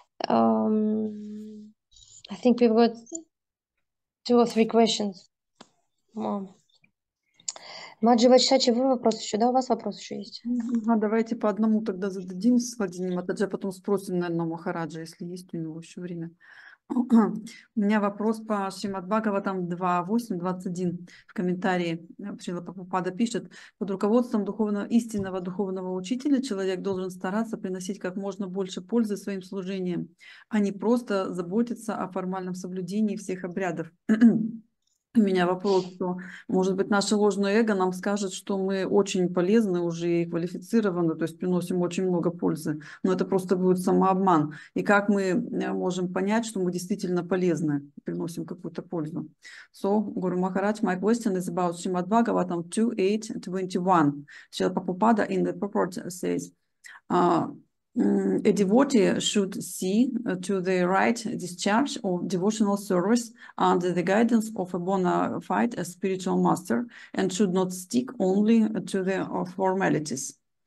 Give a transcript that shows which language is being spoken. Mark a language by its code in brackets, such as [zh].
[en] I think we've got two or three questions. [ru] Маджи Вачачи, вы вопрос еще, да? У вас вопрос еще есть? А давайте по одному тогда зададим с Владимиром Матаджи, а потом спросим, наверное, Махараджа, если есть у него еще время. У меня вопрос по Шримад Бхагаватам 2.8.21 в комментарии. Шрила Прабхупада пишет: под руководством духовного, истинного духовного учителя человек должен стараться приносить как можно больше пользы своим служениям, а не просто заботиться о формальном соблюдении всех обрядов. У меня вопрос, что, может быть, наше ложное эго нам скажет, что мы очень полезны уже и квалифицированы, то есть приносим очень много пользы, но это просто будет самообман. И как мы можем понять, что мы действительно полезны, приносим какую-то пользу? [en] So, Guru Maharaj, my question is about Srimad Bhagavatam 2.8.21. Srila Prabhupada in the purport says, a devotee should see to the right discharge of devotional service under the guidance of a bona fide a spiritual master and should not stick only to the formalities.